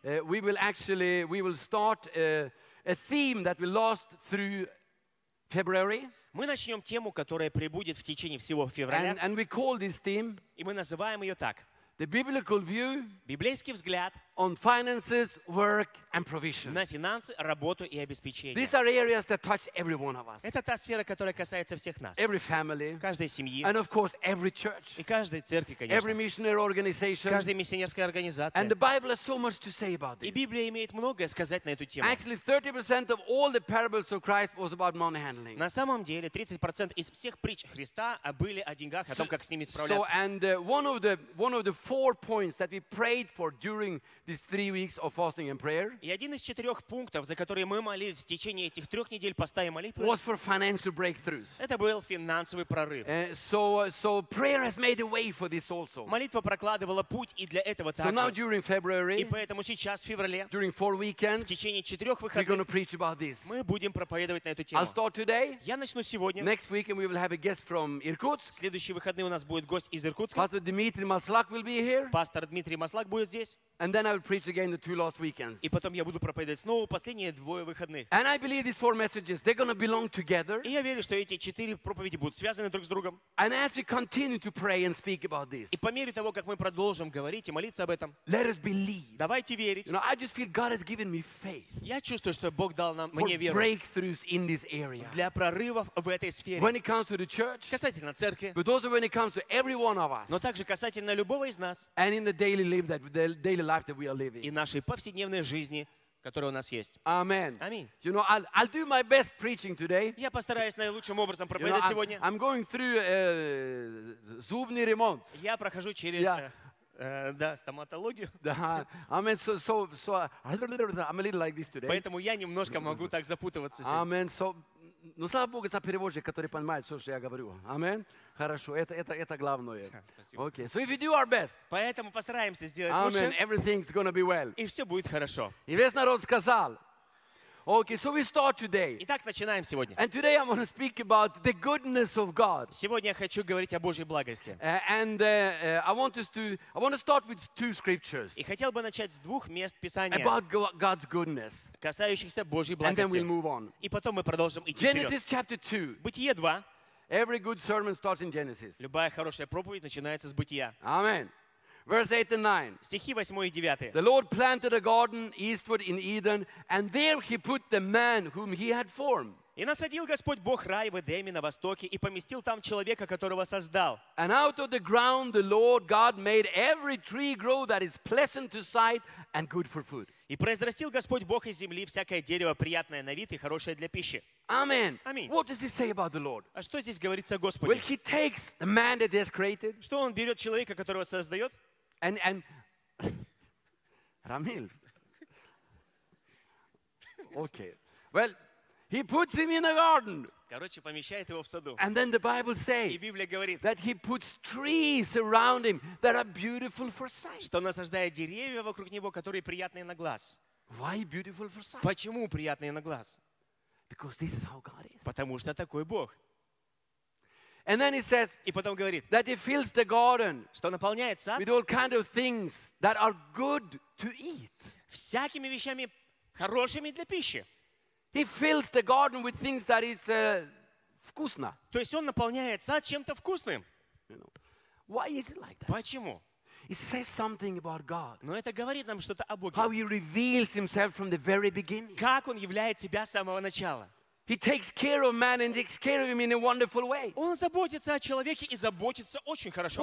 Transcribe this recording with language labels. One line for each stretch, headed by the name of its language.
English: we will start a theme that we lost through February.
Russian: Мы начнем тему, которая пребудет в течение всего февраля.
English: And we call this theme,
Russian: и мы называем ее так.
English: The biblical view,
Russian: библейский взгляд
English: on finances, work and provision.
Russian: На финансы, работу и обеспечение.
English: These are areas that touch every one of us.
Russian: Это та сфера, которая касается всех нас.
English: Every family,
Russian: каждой семьи.
English: And of course, every church,
Russian: и каждой церкви, конечно.
English: Every missionary organization,
Russian: каждая миссионерская организация.
English: And the Bible has so much to say about this.
Russian: И Библия имеет многое сказать на эту тему.
English: Actually, 30% of all the parables of Christ was about money handling.
Russian: На самом деле, 30% из всех притч Христа были о деньгах, о том, как с ними справляться.
English: So, and one of the four points that we prayed for during these 3 weeks of fasting and prayer.
Russian: И один из четырех пунктов, за которые мы молились в течение этих трех недель поста и молитвы,
English: was for financial breakthroughs.
Russian: Это был финансовый прорыв.
English: So prayer has made a way for this also.
Russian: Молитва прокладывала путь и для этого также.
English: So now during February,
Russian: и поэтому сейчас в феврале,
English: during four weekends,
Russian: в течение четырех выходных,
English: we're going to preach about this.
Russian: Мы будем проповедовать на эту тему.
English: I'll start today.
Russian: Я начну сегодня.
English: Next weekend we will have a guest from Irkutsk.
Russian: В следующие выходные у нас будет гость из Иркутска.
English: Pastor Dmitry Maslak will be here.
Russian: Пастор Дмитрий Маслак будет здесь.
English: And then I will preach again the two last weekends.
Russian: И потом я буду проповедовать снова последние двое выходных.
English: And I believe these four messages, they're going to belong together.
Russian: И я верю, что эти четыре проповеди будут связаны друг с другом.
English: And as we continue to pray and speak about this,
Russian: и по мере того, как мы продолжим говорить и молиться об этом,
English: let us believe.
Russian: Давайте верить.
English: You know, I just feel God has given me faith.
Russian: Я чувствую, что Бог дал нам мне веру.
English: For breakthroughs in this area.
Russian: Для прорывов в этой сфере.
English: When it comes to the church,
Russian: касательно церкви,
English: but also when it comes to every one of us.
Russian: Но также касательно любого из нас.
English: And in the daily life that the daily life that we are living.
Russian: И нашей повседневной жизни, которая у нас есть. Аминь. Аминь.
English: You know, I'll do my best preaching today.
Russian: Я постараюсь наилучшим образом проповедовать сегодня.
English: I'm going through
Russian: зубный ремонт. Я прохожу через стоматологию. Да.
English: I'm a little like this today.
Russian: Поэтому я немножко могу так запутываться сегодня. Аминь. So, ну слава Богу за переводчик, который понимает все, что я говорю. Аминь. Хорошо, это главное.
English: Okay. So if we do our best,
Russian: поэтому постараемся сделать
English: amen,
Russian: лучше.
English: Everything's gonna be well.
Russian: И все будет хорошо. И весь народ сказал.
English: Okay, so we start today.
Russian: Итак, начинаем сегодня.
English: And today I'm going to speak about the goodness of God.
Russian: Сегодня я хочу говорить о Божьей благости.
English: I want to start with two scriptures.
Russian: И хотел бы начать с двух мест Писания.
English: About God's goodness.
Russian: Касающихся Божьей благости.
English: And then we'll move on.
Russian: И потом мы продолжим идти
English: Genesis Genesis chapter 2.
Russian: Бытие 2.
English: Every good sermon starts in Genesis.
Russian: Любая хорошая проповедь начинается с бытия.
English: Amen. Verse 8 and 9.
Russian: Стихи 8 и 9.
English: The Lord planted a garden eastward in Eden, and there he put the man whom he had formed.
Russian: И насадил Господь Бог рай в Эдеме на востоке и поместил там человека, которого создал.
English: And out of the ground the Lord God made every tree grow that is pleasant to sight and good for food.
Russian: И произрастил Господь Бог из земли всякое дерево приятное на вид и хорошее для пищи.
English: Amen.
Russian: Аминь.
English: What does he say about the Lord?
Russian: А что здесь говорится о Господе?
English: Well, he takes the man that he has created.
Russian: Что он берет человека, которого создает?
English: And Рамил. Okay. Well, he puts him in a garden.
Russian: Короче, помещает его в саду.
English: And then the Bible says,
Russian: и Библия говорит,
English: that he puts trees around him that are beautiful for sight.
Russian: Что насаждает деревья вокруг него, которые приятные на глаз.
English: Why beautiful for sight?
Russian: Почему приятные на глаз?
English: Because this is how God is.
Russian: Потому что такой Бог.
English: And then he says,
Russian: и потом говорит,
English: that he fills the garden,
Russian: что наполняет сад,
English: with all kind of things that are good to eat.
Russian: Всякими вещами хорошими для пищи.
English: He fills the garden with things that is
Russian: вкусно. То есть он наполняет сад чем-то вкусным.
English: You know, why is it like that?
Russian: Почему?
English: It says something about God.
Russian: Но это говорит нам что-то о Боге.
English: How he reveals himself from the very beginning.
Russian: Как он являет себя с самого начала.
English: He takes care of man and takes care of him in a wonderful way.
Russian: Он заботится о человеке и заботится очень хорошо